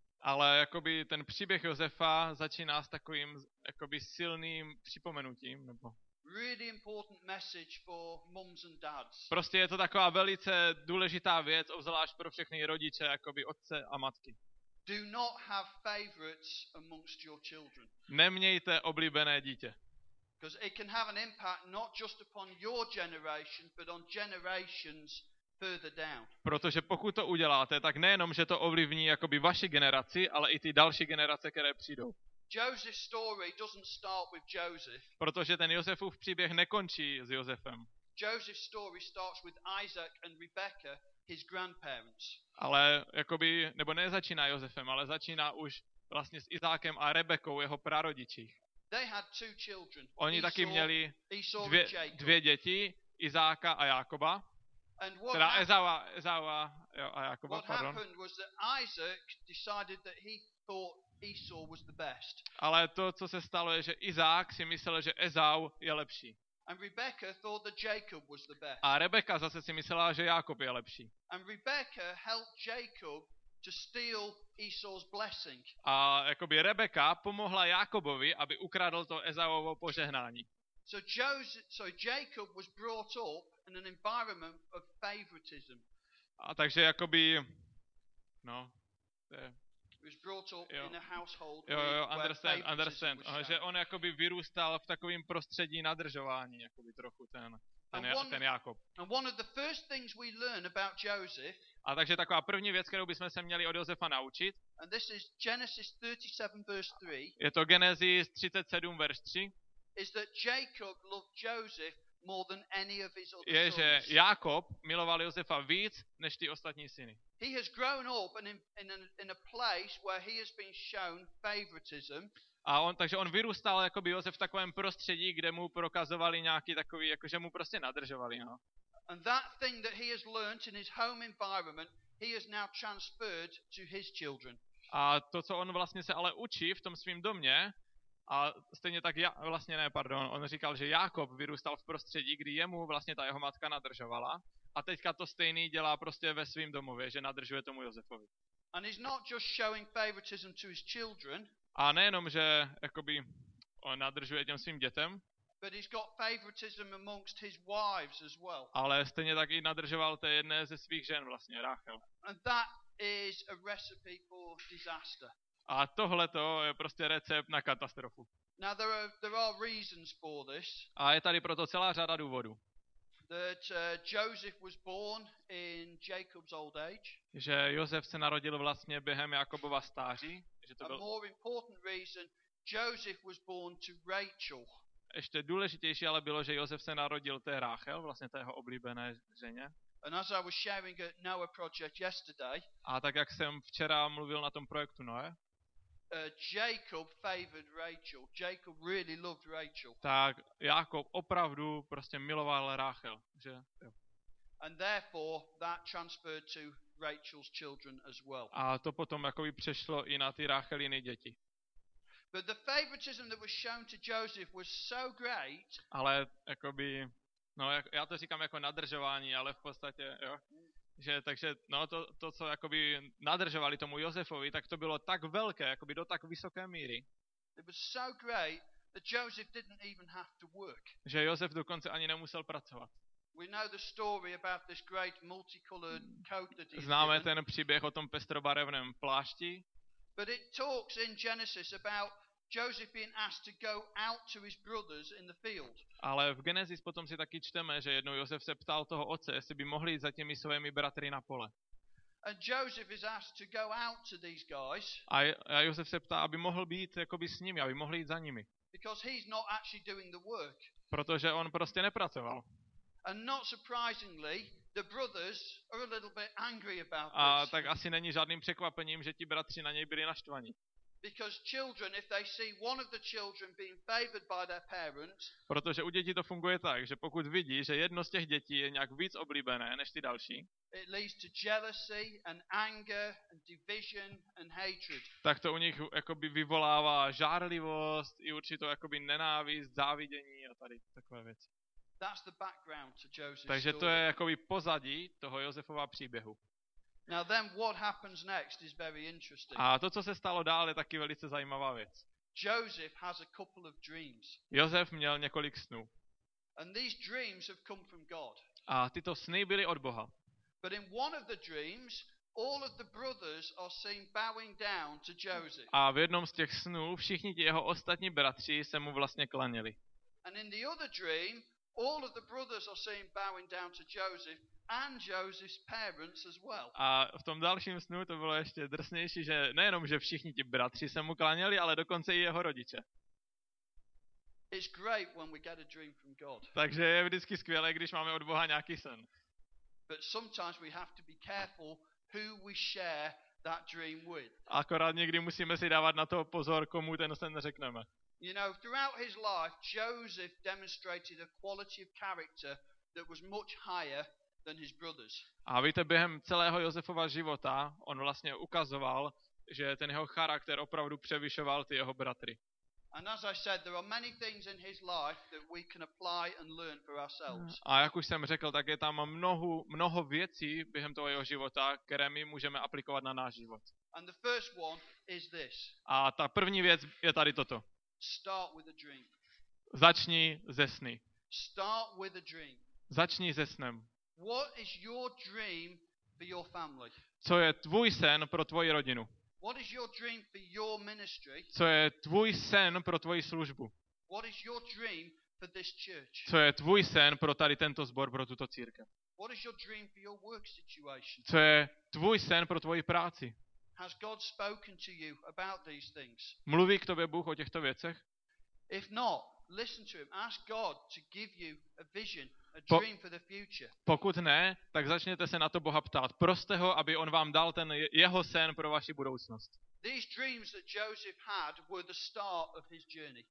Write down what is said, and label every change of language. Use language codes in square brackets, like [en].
[cs] Ale jakoby ten příběh Josefa začíná s takovým jakoby silným připomenutím nebo. [en] Really important message for mums and dads. [cs] Prostě je to taková velice důležitá věc, obzvlášť pro všechny rodiče, jakoby otce a matky. [en] Do not have favorites amongst your children. [cs] Nemějte oblíbené dítě. [en] Because it can have an impact not just upon your generation, but on generations further down. [cs] Protože pokud to uděláte, tak nejenom že to ovlivní jakoby vaši generaci, ale i ty další generace, které přijdou. [en] Joseph's story doesn't start with Joseph. [cs] Protože ten Josefův příběh nekončí s Josefem. [en] Joseph's story starts with Isaac and Rebecca. His grandparents. [cs] Ale jakoby, nebo nezačíná Josefem, ale začíná už vlastně s Izákem a Rebekou, jeho prarodiči. [en] They had two children. [cs] Oni [en] Esau, [cs] taky měli dvě děti, Izáka a Jakoba. [en] And [cs] Ezaua a Jakoba. [en] What happened was that Isaac decided that he thought Esau was the best. [cs] Ale to, co se stalo, je, že Izák si myslel, že Ezau je lepší. [en] And Rebecca thought that Jacob was the best. [cs] A Rebecca zase si myslela, že Jakob je lepší. [en] And Rebecca helped Jacob to steal Esau's blessing. [cs] A jakoby Rebecca pomohla Jakobovi, aby ukradl to Ezauovo požehnání. [en] So Jacob was brought up in an environment of favoritism. [cs] A takže jakoby no. [en] Was brought up in a household where favoritism was understand. [cs] Že on jakoby vyrůstal v takovým prostředí nadržování, jakoby trochu ten Jakob. [en] And one of the first things we learn about Joseph. [cs] A takže taková první věc, kterou bychom se měli od Josefa naučit. [en] And this is Genesis 37 verse 3. [cs] Je to Genesis 37 [en] verse 3. Is that Jacob loved Joseph more than any of his other sons. [cs] Je, že Jakob miloval Josefa víc než ty ostatní syny. [en] He has grown up in a place where he has been shown favoritism. [cs] A on takže on vyrůstal jakoby Josef v takovém prostředí, kde mu prokazovali nějaký takový jakože mu prostě nadržovali, no. [en] And that thing that he has learnt in his home environment, he has now transferred to his children. [cs] A to co on vlastně se ale učí v tom svém domě, a stejně tak já vlastně ne, pardon, on říkal, že Jakob vyrůstal v prostředí, kdy jemu vlastně ta jeho matka nadržovala. A teďka to stejný dělá prostě ve svém domově, že nadržuje tomu Josefovi. [en] And he's not just showing favoritism to his children. [cs] A nejenom, že jakoby nadržuje těm svým dětem. [en] But he's got favoritism amongst his wives as well. [cs] Ale stejně tak i nadržoval té jedné ze svých žen, vlastně Ráchel. [en] And that is a recipe for disaster. [cs] A tohle to je prostě recept na katastrofu. [en] Now there are reasons for this. [cs] A je tady proto celá řada důvodů. [en] That Joseph was born in Jacob's old age. [cs] Že Josef se narodil vlastně během Jakobova stáří, že to byl. [en] A more important reason, Joseph was born to Rachel. [cs] Ještě důležitější ale bylo, že Josef se narodil té Ráchel, vlastně té jeho oblíbené ženě. [en] And as I was sharing at Noah Project yesterday, [cs] a tak jak jsem včera mluvil na tom projektu Noé, [en] Jacob favored Rachel. Jacob really loved Rachel. [cs] Tak Jakob opravdu prostě miloval Ráchel, že? [en] And therefore that transferred to Rachel's children as well. [cs] A to potom jakoby přešlo i na ty Rácheliny děti. [en] But the favoritism that was shown to Joseph was so great. [cs] Ale jakoby, no, já to říkám jako nadržování, ale v podstatě, jo, že takže, no, to co jakoby nadržovali tomu Josefovi, tak to bylo tak velké, jakoby do tak vysoké míry. [en] It was so great that Joseph didn't even have to work. [cs] Že Josef dokonce ani nemusel pracovat. [en] We know the story about this great multicolored coat that he. [cs] Známe ten příběh o tom pestrobarevném plášti. [en] But it talks in Genesis about Joseph being asked to go out to his brothers in the field. [cs] Ale v Genesis potom si taky čteme, že jednou Josef se ptal toho otce, jestli by mohli jít za těmi svými bratry na pole. [en] And Joseph is asked to go out to these guys. [cs] A Josef se ptá, aby mohl být jakoby s nimi, aby mohli jít za nimi. [en] Because he's not actually doing the work. [cs] Protože on prostě nepracoval. [en] And not surprisingly, the brothers are a little bit angry about this. [cs] A tak asi není žádným překvapením, že ti bratři na něj byli naštvaní. [en] Because children, if they see one of the children being favored by their parents. [cs] Protože u dětí to funguje tak, že pokud vidí, že jedno z těch dětí je nějak víc oblíbené než ty další. [en] It leads to jealousy and anger and division and hatred. [cs] Tak to u nich jakoby vyvolává žárlivost i určitou jakoby nenávist, závidění a tady takové věci. [en] That's the background to Joseph's story. [cs] Takže to je jakoby pozadí toho Josefova příběhu. [en] Now then what happens next is very interesting. [cs] A to, co se stalo dál, je taky velice zajímavá věc. [en] Joseph has a couple of dreams. [cs] Josef měl několik snů. [en] And these dreams have come from God. [cs] A tyto sny byly od Boha. [en] But in one of the dreams, all of the brothers are seen bowing down to Joseph. [cs] A v jednom z těch snů všichni ti jeho ostatní bratři se mu vlastně klanili. [en] And in the other dream, all of the brothers are seen bowing down to Joseph and Joseph's parents as well. [cs] A v tom dalším snu to bylo ještě drsnější, že nejenom že všichni ti bratři se mu klaněli, ale dokonce i jeho rodiče. [en] It's great when we get a dream from God. [cs] Takže je vždycky skvělé, když máme od Boha nějaký sen. [en] But sometimes we have to be careful who we share that dream with. [cs] Akorát někdy musíme si dávat na to pozor, komu ten sen řekneme. [en] You know, throughout his life, Joseph demonstrated a quality of character that was much higher than his brothers. [cs] A víte, během celého Josefova života on vlastně ukazoval, že ten jeho charakter opravdu převyšoval ty jeho bratry. [en] And as I said, there are many things in his life that we can apply and learn for ourselves. [cs] A jak už jsem řekl, tak je tam mnoho věcí během toho jeho života, které my můžeme aplikovat na náš život. [en] And the first one is this. [cs] A ta první věc je tady toto. [en] Start with a dream. [cs] Začni ze sny. [en] Start with a dream. [cs] Začni ze snem. [en] What is your dream for your family? [cs] Co je tvůj sen pro tvoji rodinu? [en] What is your dream for your ministry? [cs] Co je tvůj sen pro tvoji službu? [en] What is your dream for this church? [cs] Co je tvůj sen pro tady tento sbor, pro tuto církev? [en] What is your dream for your work situation? [cs] Co je tvůj sen pro tvoji práci? [en] Has God spoken to you about these things? [cs] Mluví k tobě Bůh o těchto věcech? [en] If not, listen to him. Ask God to give you a vision, a dream for the future. [cs] Pokud ne, tak začněte se na to Boha ptát. Proste ho, aby on vám dal ten jeho sen pro vaši budoucnost. [en] These dreams that Joseph had were the start of his journey.